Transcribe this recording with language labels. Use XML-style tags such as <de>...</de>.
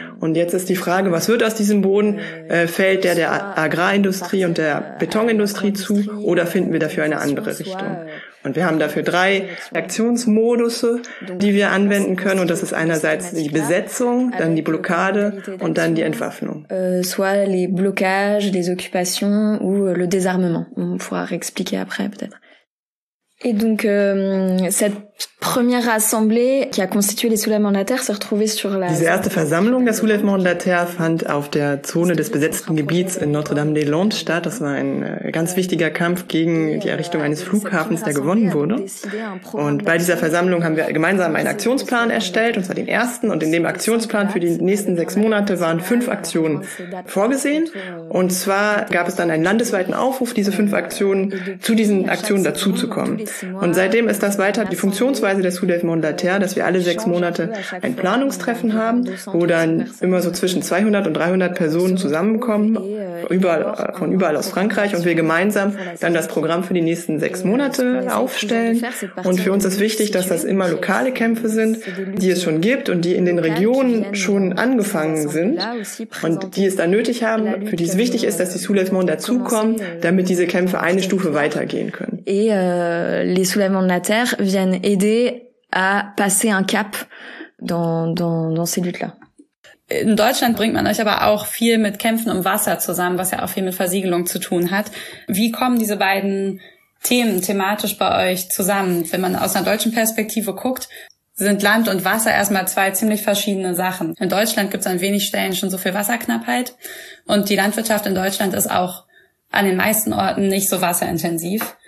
<de>Und jetzt ist die Frage, was wird aus diesem Boden? Fällt der Agrarindustrie und der Betonindustrie zu oder finden wir dafür eine andere Richtung? Und wir haben dafür 3 Aktionsmodusse, die wir anwenden können. Und das ist einerseits die Besetzung, dann die Blockade und dann die Entwaffnung.</de> <fr>Soit les blocages, les occupations ou le désarmement. On pourra réexpliquer après, peut-être. Et donc, cette première assemblée qui a constitué les soulèvements de la terre s'est retrouvée sur la...</fr> <de>Diese erste Versammlung der Soulèvement de la Terre fand auf der Zone des besetzten Gebiets in Notre-Dame-des-Landes statt. Das war ein ganz wichtiger Kampf gegen die Errichtung eines Flughafens, der gewonnen wurde. Und bei dieser Versammlung haben wir gemeinsam einen Aktionsplan erstellt, und zwar den ersten. Und in dem Aktionsplan für die nächsten 6 Monate waren 5 Aktionen vorgesehen. Und zwar gab es dann einen landesweiten Aufruf, diese 5 Aktionen zu diesen Aktionen dazuzukommen. Und seitdem ist das weiter die Funktionsweise des Soulèvement de la Terre, dass wir alle 6 Monate ein Planungstreffen haben, wo dann immer so zwischen 200 und 300 Personen zusammenkommen, von überall aus Frankreich, und wir gemeinsam dann das Programm für die nächsten 6 Monate aufstellen. Und für uns ist wichtig, dass das immer lokale Kämpfe sind, die es schon gibt und die in den Regionen schon angefangen sind und die es dann nötig haben, für die es wichtig ist, dass die Soulèvements dazukommen, damit diese Kämpfe eine Stufe weitergehen können.</de> <fr>Les soulèvements de la terre viennent aider à passer un cap dans ces luttes-là.</fr> <de>In Deutschland bringt man euch aber auch viel mit Kämpfen um Wasser zusammen, was ja auch viel mit Versiegelung zu tun hat. Wie kommen diese beiden Themen thematisch bei euch zusammen? Wenn man aus einer deutschen Perspektive guckt, sind Land und Wasser erstmal 2 ziemlich verschiedene Sachen. In Deutschland gibt es an wenig Stellen schon so viel Wasserknappheit und die Landwirtschaft in Deutschland ist auch an den meisten Orten nicht so wasserintensiv.</de>